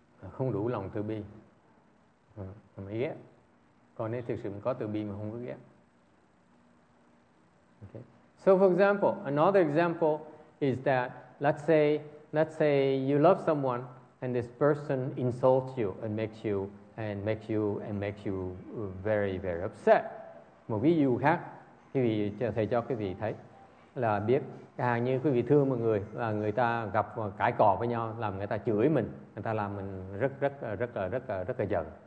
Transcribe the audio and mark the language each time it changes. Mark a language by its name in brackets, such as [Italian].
[Vietnamese] Không đủ lòng từ bi mới ghét. Còn nếu thực sự có từ bi mà không có ghét. [English] Okay. So for example, another example is that let's say you love someone and this person insults you and makes you very very upset. [Vietnamese] Một ví dụ khác, thầy cho quý vị thấy là biết. Càng như quý vị thương một người và người ta gặp cãi cọ với nhau làm người ta chửi mình, người ta làm mình rất là giận.